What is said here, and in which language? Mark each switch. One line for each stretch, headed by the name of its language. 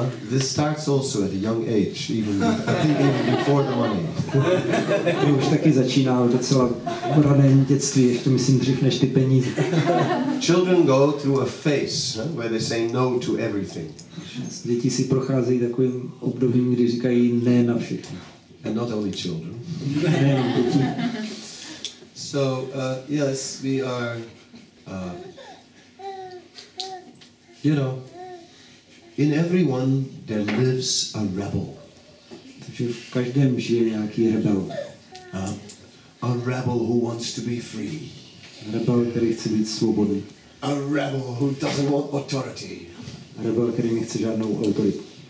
English: This starts also at a young age, even before the money.
Czech: To už taky začíná v docela raném dětství, ještě myslím dřív než ty peníze.
English: Children go through a phase where they say no to everything.
Czech: Děti si procházejí takovým obdobím, kdy říkají ne na všechno.
English: And not only children.
Czech: Ne jen děti.
English: So yes, we are, you know. In everyone there lives a rebel.
Czech: Takže v každém žije nějaký rebel.
English: A rebel who wants to be free.
Czech: Rebel, který chce být svobodný.
English: A rebel who doesn't want authority.
Czech: Rebel, který nechce žádnou autoritu.